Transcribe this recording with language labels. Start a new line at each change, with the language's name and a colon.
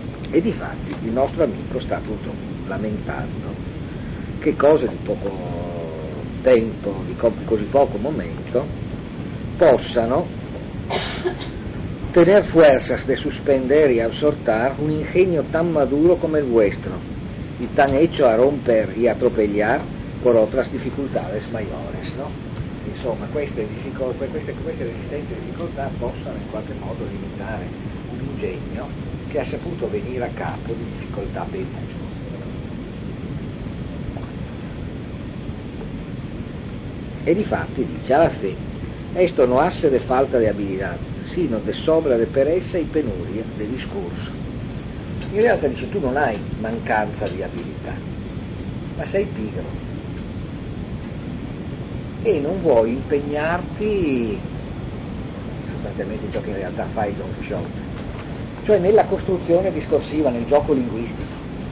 Spanish: E difatti il nostro amico sta appunto lamentando che cose di poco tempo, di così poco momento, possano tener fuerzas de suspender y absortar un ingenio tan maduro come il vuestro, y tan hecho a romper y atropellar por otras dificultades mayores, no?
Italian: Insomma, queste resistenze e difficoltà possono in qualche modo limitare un ingegno che ha saputo venire a capo di difficoltà ben maggiori.
Spanish: E difatti, dice alla fine, esto no hace de falta de habilidad, sino de sobra de pereza y penuria de discurso.
Italian: In realtà dice, tu non hai mancanza di abilità, ma sei pigro. E non vuoi impegnarti, sostanzialmente ciò che in realtà fai Don Quixote, cioè nella costruzione discorsiva, nel gioco linguistico.